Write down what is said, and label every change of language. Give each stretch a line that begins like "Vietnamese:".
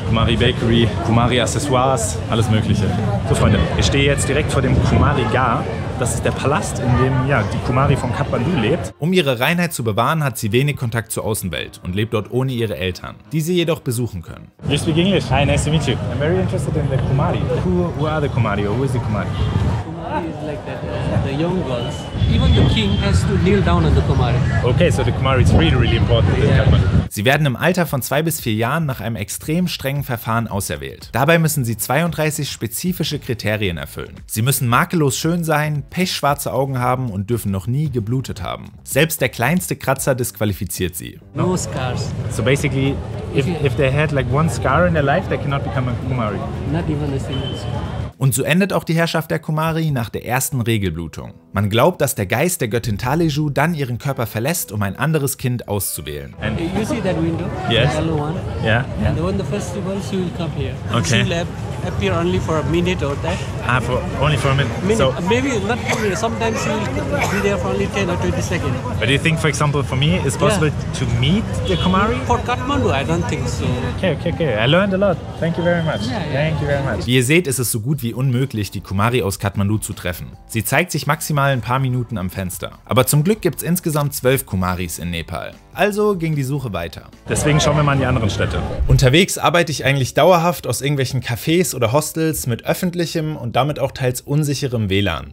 German: Kumari-Bakery, Kumari-Accessoires, alles Mögliche. So, Freunde, ich stehe jetzt direkt vor dem Kumari-Gar. Das ist der Palast, in dem ja, die Kumari von Kathmandu lebt. Um ihre Reinheit zu bewahren, hat sie wenig Kontakt zur Außenwelt und lebt dort ohne ihre Eltern, die sie jedoch besuchen können.
English: You speak English. Hi, nice to meet you. I'm very interested in the Kumari. Who are the Kumari or who is the Kumari? Kumari is like that, the young girls. Even the king has to kneel down on the Kumari. Okay, so the Kumari is really, really important in Kathmandu.
German: Sie werden im Alter von 2 bis 4 Jahren nach einem extrem strengen Verfahren auserwählt. Dabei müssen sie 32 spezifische Kriterien erfüllen. Sie müssen makellos schön sein, pechschwarze Augen haben und dürfen noch nie geblutet haben. Selbst der kleinste Kratzer disqualifiziert sie.
English: No scars. So basically, if they had like one scar in their life, they cannot become a Kumari. Not even a single scar.
German: Und so endet auch die Herrschaft der Kumari nach der ersten Regelblutung. Man glaubt, dass der Geist der Göttin Taliju dann ihren Körper verlässt, um ein anderes Kind auszuwählen.
English: And you see that window? Yes. The yellow one? Yeah. And when the festival, she will come here. Okay. She will appear only for a minute or that. Only for a minute. So maybe not for me. Sometimes she will be there for only 10 or 20 seconds. But do you think, for example, for me, it's possible to meet the Kumari? For Kathmandu, I don't think so. Okay. I learned a lot. Thank you very much. Yeah. Thank you very much.
German: Wie ihr seht, ist es so gut wie unmöglich, die Kumari aus Kathmandu zu treffen. Sie zeigt sich maximal ein paar Minuten am Fenster. Aber zum Glück gibt es insgesamt 12 Kumaris in Nepal. Also ging die Suche weiter. Deswegen schauen wir mal in die anderen Städte. Unterwegs arbeite ich eigentlich dauerhaft aus irgendwelchen Cafés oder Hostels mit öffentlichem und damit auch teils unsicherem WLAN.